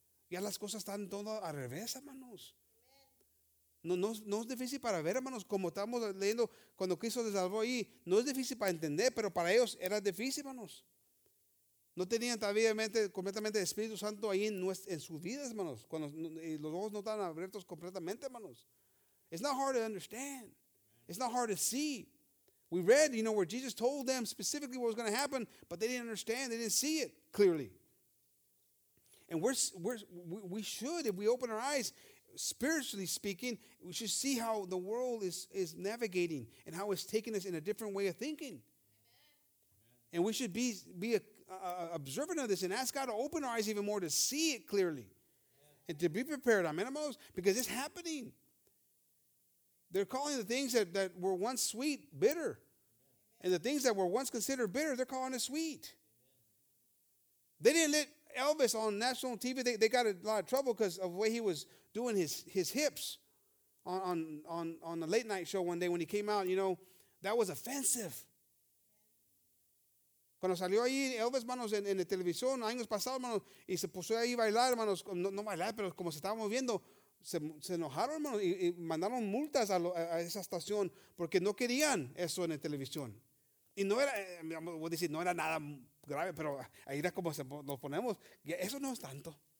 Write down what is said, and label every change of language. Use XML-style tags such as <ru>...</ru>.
<es>Ya las cosas están todo al revés, hermanos. No es difícil para ver, hermanos, como estamos leyendo cuando Cristo les salvó ahí. No es difícil para entender, pero para ellos era difícil, hermanos. No tenían todavía completamente el Espíritu Santo ahí en sus vidas, hermanos. Cuando los ojos no están abiertos completamente, hermanos.</es> <en>It's not hard to understand. It's not hard to see. We read, you know, where Jesus told them specifically what was going to happen, but they didn't understand. They didn't see it clearly. And we should, if we open our eyes, spiritually speaking, we should see how the world is navigating and how it's taking us in a different way of thinking. Amen. And we should be observant of this and ask God to open our eyes even more to see it clearly. Yeah. And to be prepared, amen, because it's happening. They're calling the things that were once sweet, bitter. Amen. And the things that were once considered bitter, they're calling it sweet. Amen. They didn't let Elvis on national TV, they got a lot of trouble because of the way he was doing his hips on the late night show one day when he came out. You know, that was offensive.</en> <es>Cuando salió ahí Elvis, manos, en la televisión, años pasados, manos, y se puso ahí a bailar, manos, no bailar, pero como se estaba moviendo, se enojaron, hermanos, y mandaron multas a esa estación porque no querían eso en la televisión. Y no era, voy a decir, no era nada grave, pero ahí era como nos ponemos. Eso no es tanto.</es>